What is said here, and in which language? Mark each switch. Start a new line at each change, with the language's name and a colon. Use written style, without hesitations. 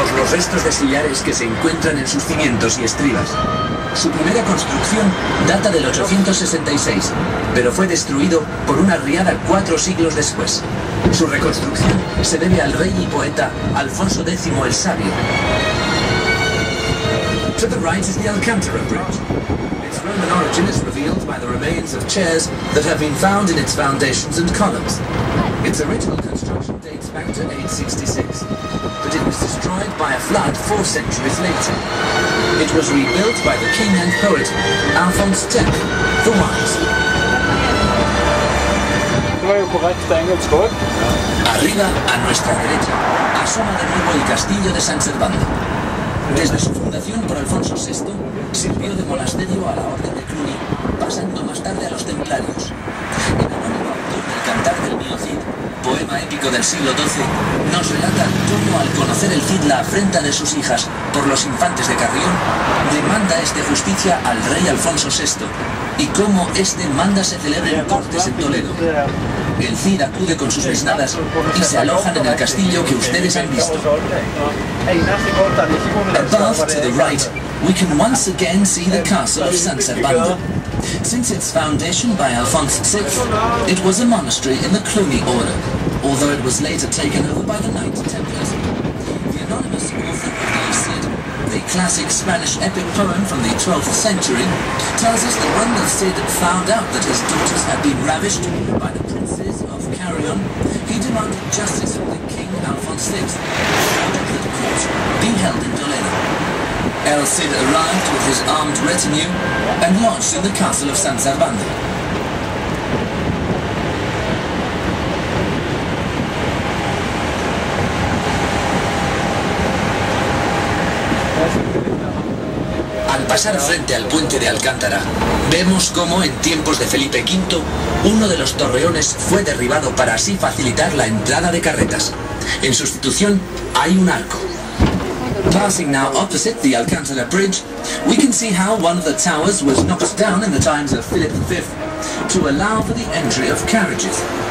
Spanish: Restos de sillares que se encuentran en sus cimientos y estribas. Su primera construcción data del 866, pero fue destruido por una riada 4 siglos después. Su reconstrucción se debe al rey y poeta Alfonso X el Sabio.
English: To the right is the Alcantara Bridge. Its Roman origin is revealed by the remains of chairs that have been found in its foundations and columns. Its original construction dates back to 866. But it was destroyed by a flood 4 centuries later. It was rebuilt by the king and poet, Alphonse Tech, the Wise.
Spanish: Arriba, a nuestra derecha, asoma de nuevo el castillo de San Servando. Desde su fundación por Alfonso VI, sirvió de monasterio a la orden de Cluny, pasando más tarde a los templarios. El anónimo autor del Cantar del Mio Cid, poema épico del siglo XII, nos relata cómo al conocer el Cid la afrenta de sus hijas por los infantes de Carrión, demanda este justicia al rey Alfonso VI, y cómo este manda se celebren cortes en Toledo. El Cid acude con sus mesnadas y se alojan en el castillo que ustedes han visto.
English: Above, to the right, we can once again see the castle of San Servando. Since its foundation by Alphonse VI, it was a monastery in the Cluny order, although it was later taken over by the Knights Templars. The anonymous author of the Cid, the classic Spanish epic poem from the 12th century, tells us that when the Cid found out that his daughters had been ravished by the princes of Carrion, he demanded justice from the king Alphonse VI, and the court being held in Toledo. El Cid arrived with his armed retinue and lodged in the castle of San Servando.
Spanish: Al pasar frente al puente de Alcántara, vemos cómo en tiempos de Felipe V, uno de los torreones fue derribado para así facilitar la entrada de carretas. En sustitución, hay un arco.
English: Passing now opposite the Alcantara Bridge, we can see how one of the towers was knocked down in the times of Philip V to allow for the entry of carriages.